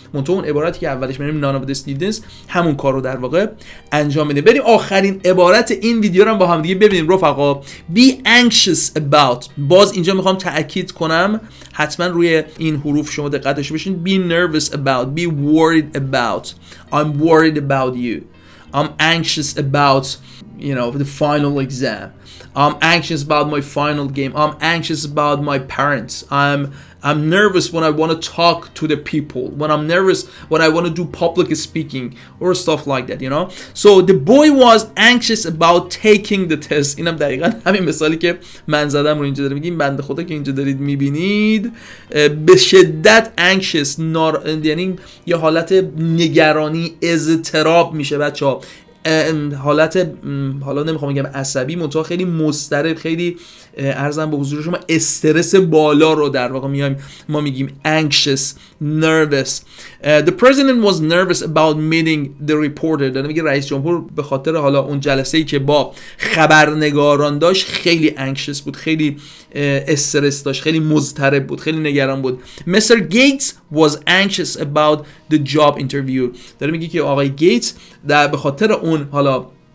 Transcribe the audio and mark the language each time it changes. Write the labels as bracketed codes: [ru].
[fa] منتها اون عبارتی که اولش میگیم [en] none of the students [fa] همون کار رو در واقع انجام میده. بریم آخرین عبارت این ویدیو رو هم با هم دیگه ببینیم رفقا. [en] be anxious about. [fa] باز اینجا میخوام تاکید کنم حتما روی این حروف شما دقت داشته باشین. [en] be nervous about، be worried about. I'm worried about you. I'm anxious about, you know, the final exam. I'm anxious about my final game. I'm anxious about my parents. I'm nervous when I want to talk to the people. When I'm nervous, when I want to do public speaking or stuff like that, you know. So the boy was anxious about taking the test. [fa] اینم دقیقا همین مثالی که من زدم رو اینجا دارم میگیم. بنده خدا که اینجا دارید میبینید به شدت anxious، یعنی یه حالت نگرانی، اضطراب میشه بچه ها. حالت حالا نمیخوام بگم عصبی، منتها خیلی مضطرب، خیلی عرضم به حضور شما استرس بالا رو در واقع میایم ما میگیم anxious، nervous. [en] The president was nervous about meeting the reporter. [fa] داره میگه رئیس جمهور به خاطر حالا اون جلسه ای که با خبرنگاران داشت خیلی anxious بود، خیلی استرس داشت، خیلی مضطرب بود، خیلی نگران بود. [en] Mr. Gates was anxious about the job interview. [fa] داره میگه که آقای گیتس در به خاطر اون حالا